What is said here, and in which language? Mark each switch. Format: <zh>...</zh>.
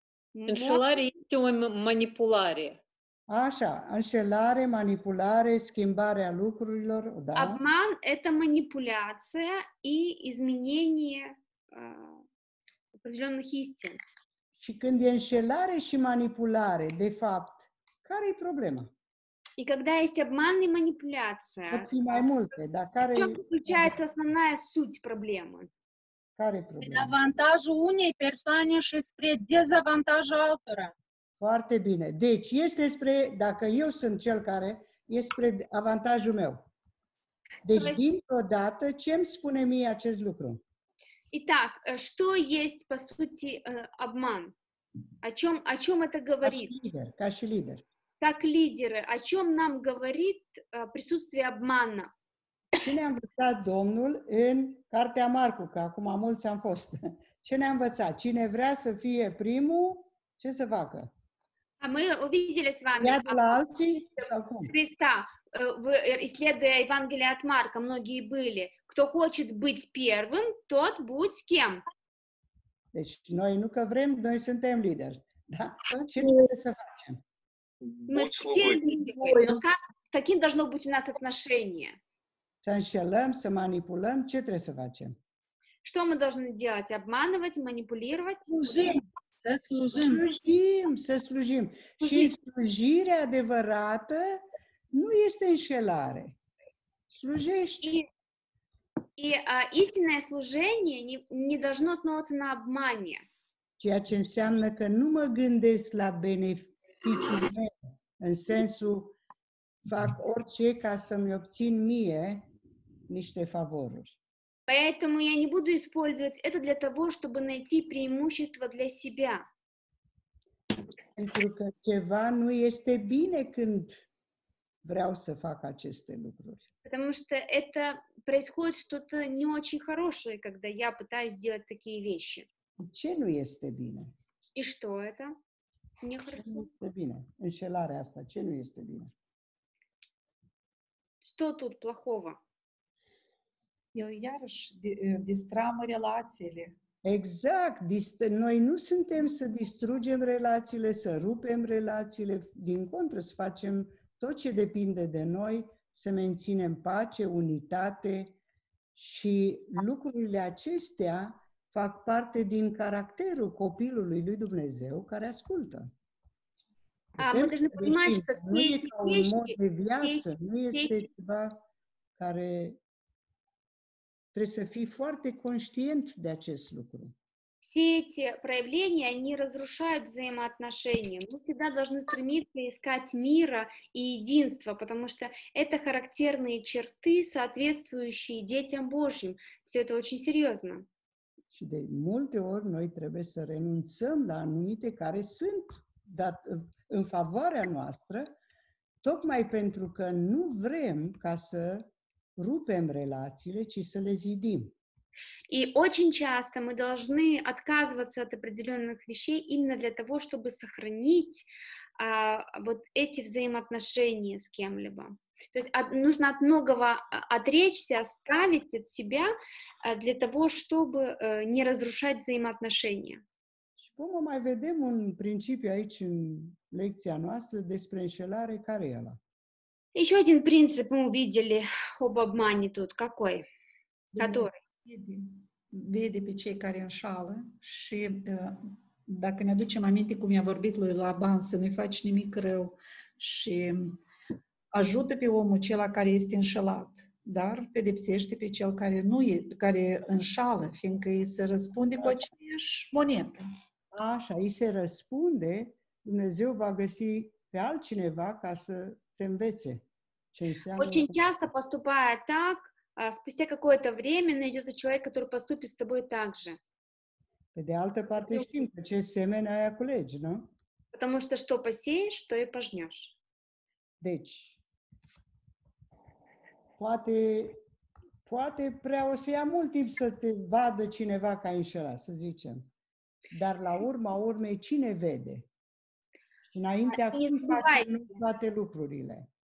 <ro>Înșelare este o manipulare. Așa, înșelare, manipulare, schimbarea lucrurilor, da?</ro> <ru>Обман – это манипуляция и изменение определенных истин.</ru> <ro>Și când e înșelare și manipulare, de fapt, care e problema?</ro> <ru>И когда есть обман и манипуляция,</ru> <ro>pot fi mai multe, dar care...</ro> <ru>В чем заключается основная суть проблемы?</ru> <ro>Care e problema? Avantajul unei persoane și spre dezavantajul altora. Foarte bine. Deci, este spre, dacă eu sunt cel care, este spre avantajul meu. Deci, dintr-o dată, ce îmi spune mie acest lucru?</ro> <ru>Итак, что есть, по сути, обман? О чем это говорит? Как лидер. Как лидеры, о чем нам говорит присутствие обмана?</ru> <ro>Ce ne-a învățat Domnul în Cartea Marcu, că acum mulți am fost. Ce ne-a învățat? Cine vrea să fie primul, ce să facă?</ro> <ru>Мы увидели с вами Христа, исследуя Евангелие от Марка, многие были. Кто хочет быть первым, тот будь кем.</ru> <ro>Deci, noi nu că vrem, noi suntem lideri, da? Ce să facem?</ro> <ru>Мы все лидеры, но каким должно быть у нас отношение?</ru> <ro>Să înșelăm, să манипулем, ce trebuie să facem?</ro> <ru>Что мы должны делать? Обманывать, манипулировать? Служить.</ru> <ro>Să slujim. Să slujim. Și slujirea adevărată nu este înșelare. Slujești.</ro> <ru>Истинное служение не должно основываться на обмане.</ru> <ro>Ceea ce înseamnă că nu mă gândesc la beneficiul meu, în sensul fac orice ca să-mi obțin mie niște favoruri.</ro> <ru>Поэтому я не буду использовать это для того, чтобы найти преимущество для себя.</ru> <ro>Pentru că ceva nu este bine când vreau să fac aceste lucruri.</ro> <ru>Потому что это происходит что-то не очень хорошее, когда я пытаюсь делать такие вещи.</ru> <ro>Ce nu este bine?</ro> <ru>И что это? Не хорошо.</ru> <ro>Bine. Înșelarea asta, ce nu este bine?</ro> <ru>Что тут плохого?</ru> <ro>El iarăși distramă relațiile. Exact. Noi nu suntem să distrugem relațiile, să rupem relațiile. Din contră, să facem tot ce depinde de noi, să menținem pace, unitate. Și lucrurile acestea fac parte din caracterul copilului lui Dumnezeu care ascultă. Nu e ca un mod de viață. Nu este ceva care... Trebuie să fii foarte conștient de acest lucru.</ro> <ru>Все эти проявления, они разрушают взаимоотношения. Мы всегда должны стремиться искать мира и единства, потому что это характерные черты, соответствующие детям Божьим. Все это очень серьезно.</ru> <ro>Și de multe ori noi trebuie să renunțăm la anumite care sunt în favoarea noastră, tocmai pentru că nu vrem ca să рупем relațiile, ci să le zidim.</ro> <ru>И очень часто мы должны отказываться от определенных вещей именно для того, чтобы сохранить вот эти взаимоотношения с кем-либо. То есть нужно от многого отречься, оставить от себя для того, чтобы не разрушать взаимоотношения.</ru> <ro>Și vom mai vedem un principiu aici în lecția noastră despre înșelare, care e ala?</ro> <ru>Еще один принцип мы увидели об обмане тут. Какой? Который?</ru> <ro>Vede pe cei care înșală și dacă ne aducem aminte cum i-a vorbit lui Laban să nu-i faci nimic rău și ajută pe omul acela care este înșelat, dar pedepsește pe cel care nu e, care înșală, fiindcă îi se răspunde cu aceeași monetă. Așa, îi se răspunde, Dumnezeu va găsi pe altcineva ca să te învețe.</ro> <ru>Очень часто, поступая так, спустя какое-то время найдется человек, который поступит с тобой так же.</ru> <ro>De altă parte, știm că ce semene aia culegi, nu?</ro> <ru>Потому что что посеешь, то и пожнешь.</ru> <ro>Deci, poate prea o să ia mult timp să te vadă cineva ca înșelat, să zicem. Dar la urma urmei, cine vede? Și înaintea cum facem toate lucrurile?</ro>